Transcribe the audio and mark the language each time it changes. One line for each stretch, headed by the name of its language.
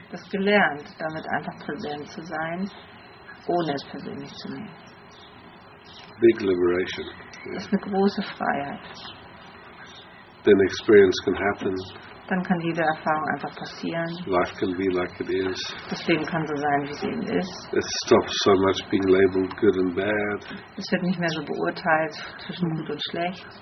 German: Das gelernt, damit einfach präsent zu sein, ohne es persönlich zu nehmen.
English: Big liberation.
German: Das ist eine große Freiheit.
English: Then experience can happen.
German: Dann kann jede Erfahrung einfach passieren.
English: Life can be like it is.
German: Das Leben kann so sein, wie es eben ist.
English: It stops so much being labeled good and bad.
German: Es wird nicht mehr so beurteilt zwischen gut und schlecht.